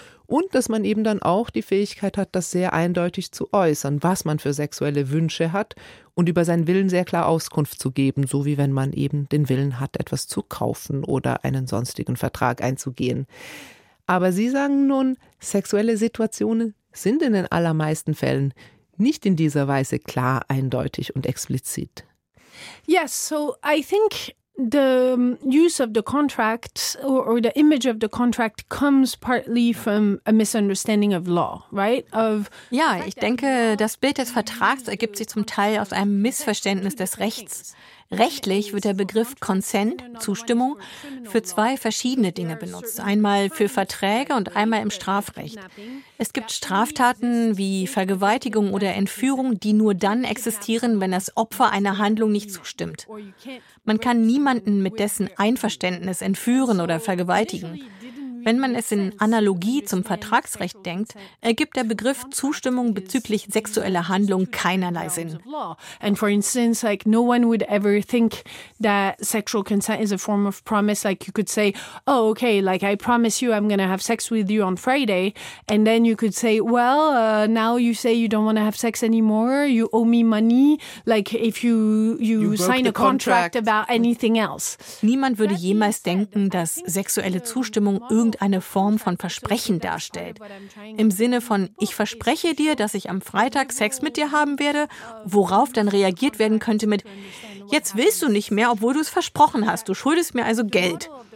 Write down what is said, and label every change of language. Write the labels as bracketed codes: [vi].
[de] Und dass man eben dann auch die Fähigkeit hat, das sehr eindeutig zu äußern, was man für sexuelle Wünsche hat und über seinen Willen sehr klar Auskunft zu geben, so wie wenn man eben den Willen hat, etwas zu kaufen oder einen sonstigen Vertrag einzugehen. Aber Sie sagen nun, sexuelle Situationen sind in den allermeisten Fällen nicht in dieser Weise klar, eindeutig und explizit. [en] Yes, so I think the use of the contract or the image of the contract comes partly from a misunderstanding of law, right? [de] Ja, ich denke, das Bild des Vertrags ergibt sich zum Teil aus einem Missverständnis des Rechts. Rechtlich wird der Begriff Consent, Zustimmung, für zwei verschiedene Dinge benutzt. Einmal für Verträge und einmal im Strafrecht. Es gibt Straftaten wie Vergewaltigung oder Entführung, die nur dann existieren, wenn das Opfer einer Handlung nicht zustimmt. Man kann niemanden mit dessen Einverständnis entführen oder vergewaltigen. Wenn man es in Analogie zum Vertragsrecht denkt, ergibt der Begriff Zustimmung bezüglich sexueller Handlung keinerlei Sinn. [en] And for instance, like no one would ever think that sexual consent is a form of promise. Like you could say, oh, okay, like I promise you I'm going to have sex with you on Friday. And then you could say, well, now you say you don't want to have sex anymore. You owe me money. Like if you sign a contract about anything else. [de] Niemand würde jemals denken, dass sexuelle Zustimmung irgendeine Form von Versprechen darstellt. Im Sinne von, ich verspreche dir, dass ich am Freitag Sex mit dir haben werde, worauf dann reagiert werden könnte mit, jetzt willst du nicht mehr, obwohl du es versprochen hast, du schuldest mir also Geld.